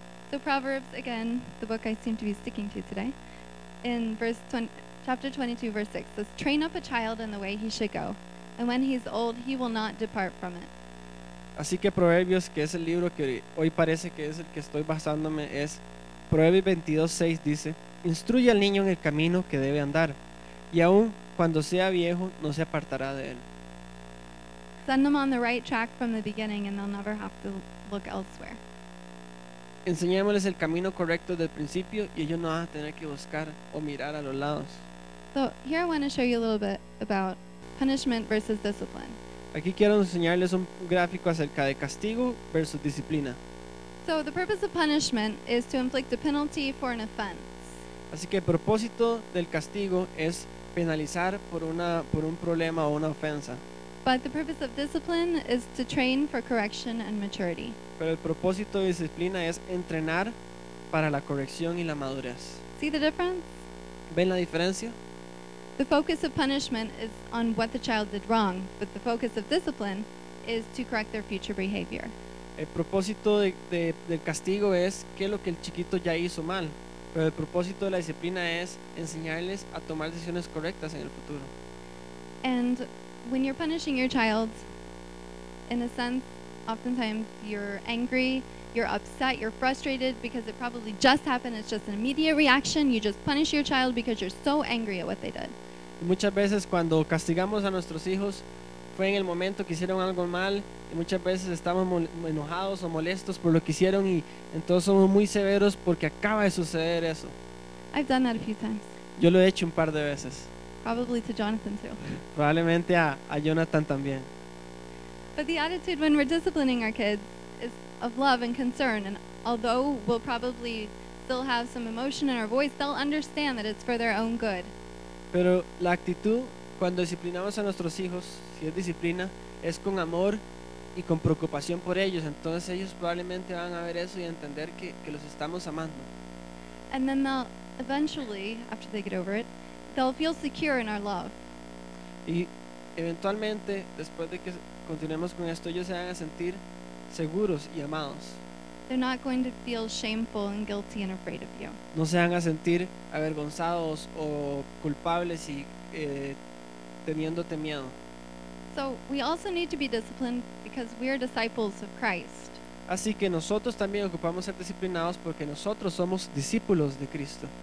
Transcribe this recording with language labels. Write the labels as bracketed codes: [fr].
[en] So Proverbs, again, the book I seem to be sticking to today, in verse 20, chapter 22, verse 6, says, "Train up a child in the way he should go, and when he's old, he will not depart from it." [es] Así que Proverbios, que es el libro que hoy parece que es el que estoy basándome, es Proverbios 22:6 dice, "Instruye al niño en el camino que debe andar, y aun cuando sea viejo, no se apartará de él." [en] Send them on the right track from the beginning and they'll never have to look elsewhere. [es] Enseñémosles el camino correcto desde el principio y ellos no van a tener que buscar o mirar a los lados. [en] So, here I want to show you a little bit about punishment versus discipline. [es] Aquí quiero enseñarles un gráfico acerca de castigo versus disciplina. [en] So the purpose of punishment is to inflict a penalty for an offense. [es] Así que el propósito del castigo es penalizar por un problema o una ofensa. [en] But the purpose of discipline is to train for correction and maturity. [es] Pero el propósito de disciplina es entrenar para la corrección y la madurez. [en] See the difference? [es] ¿Ven la diferencia? [en] The focus of punishment is on what the child did wrong, but the focus of discipline is to correct their future behavior. [es] El propósito del castigo es qué es lo que el chiquito ya hizo mal, pero el propósito de la disciplina es enseñarles a tomar decisiones correctas en el futuro. [en] And when you're punishing your child, in a sense, oftentimes you're angry, you're upset, you're frustrated because it probably just happened. It's just an immediate reaction. You just punish your child because you're so angry at what they did. [es] Muchas veces cuando castigamos a nuestros hijos fue en el momento que hicieron algo mal, y muchas veces estamos enojados o molestos por lo que hicieron, y entonces somos muy severos porque acaba de suceder eso. [en] I've done that a few times. [es] Yo lo he hecho un par de veces. [en] Probably to Jonathan too. [es] Probablemente a Jonathan también. [en] But the attitude when we're disciplining our kids is of love and concern, and although we'll probably still have some emotion in our voice, they'll understand that it's for their own good. [es] Pero la actitud cuando disciplinamos a nuestros hijos, si es disciplina, es con amor y con preocupación por ellos. Entonces ellos probablemente van a ver eso y entender que los estamos amando. [en] And then they'll eventually, after they get over it, they'll feel secure in our love. [es] Y eventualmente, después de que continuemos con esto, ellos se van a sentir seguros y amados. [en] They're not going to feel shameful and guilty and afraid of you. [es] No se van a sentir avergonzados o culpables y teniéndote miedo. [en] So we also need to be disciplined because we are disciples of Christ. [es] Así que nosotros también ocupamos ser disciplinados porque nosotros somos discípulos de Cristo.